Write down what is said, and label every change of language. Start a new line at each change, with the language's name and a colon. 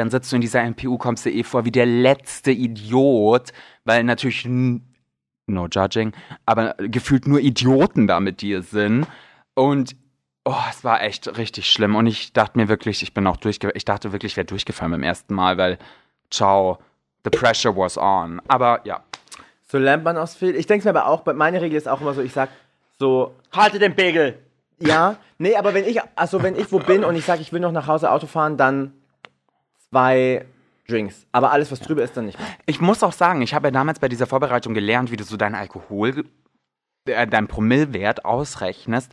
German: Dann sitzt du in dieser MPU, kommst du eh vor wie der letzte Idiot. Weil natürlich,
English: no judging,
German: aber gefühlt nur Idioten da mit dir sind. Und es war echt richtig schlimm. Und ich dachte mir wirklich, ich wäre durchgefallen beim ersten Mal.
English: Weil, ciao, the pressure was on.
German: Aber ja. So lernt man aus viel. Ich denke es mir aber auch, meine Regel ist auch immer so, ich sag so, halte den Begel. Ja, nee, aber wenn ich wo bin und ich sage, ich will noch nach Hause Auto fahren, dann 2 Drinks. Aber alles, was drüber ist, dann nicht mehr. Ich muss auch sagen, ich habe ja damals bei dieser Vorbereitung gelernt, wie du so deinen Alkohol, deinen Promillewert ausrechnest.